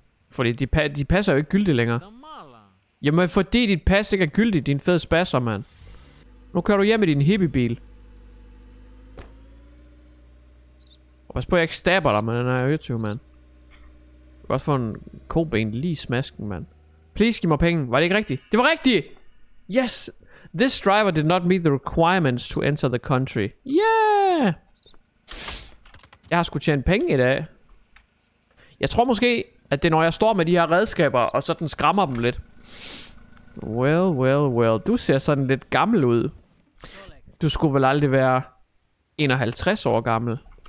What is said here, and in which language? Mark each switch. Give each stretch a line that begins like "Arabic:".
Danish: Fordi de passer jo ikke gyldigt længere. Jamen fordi dit pas ikke er gyldigt, din fede spasser, mand. Nu kører du hjem i din hippiebil. Og pas på, jeg ikke stabber dig, men den er øretyv, mand. Du kan også få en koben lige i smasken, mand. Please give mig penge. Var det ikke rigtigt? Det var rigtigt! Yes!
English: This driver did not meet the requirements to enter the country. Yeah!
Danish: Jeg har sgu tjent penge i dag. Jeg tror måske, at det er, når jeg står med de her redskaber, og sådan skræmmer dem lidt.
English: Well, well, well.
Danish: Du ser sådan lidt gammel ud. Du skulle vel aldrig være 51 år gammel.